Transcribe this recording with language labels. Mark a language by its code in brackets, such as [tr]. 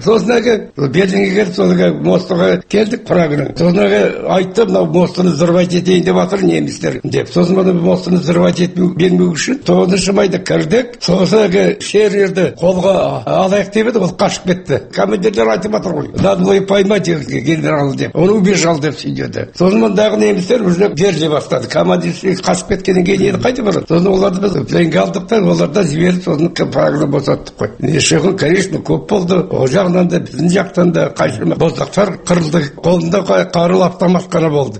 [kk] Сосын әгі Берлинге келіп, сосын әгі мостыға келдік Прагаға. Сосын әгі айттым, мынау мостыны зырвать етейін деп атыр немістер деп. Сосын мына мостыны зырвать етпеу бермеу үшін 9-шы майда кірдік. Сосын әгі Шерерді қолға алайық деп еді, ол қашып кетті. Командирлер айтып отыр ғой. [ru] Надо было поймать его, генерал деп. Он убежал деп сөйледі. [kk] Сосын мындағы немістер уже беріле бастады. Командир қашып кеткеннен кейін енді қайтып барады. Сосын оларды біз пленге алдық та, оларды жіберіп, сосын Прагада босаттық қой. Шығын, конечно, көп болды. Ол жағынан да, біздің жақтан да қайшырма. Боздақтар қырылды. Қолында қарулы автомат қана болды.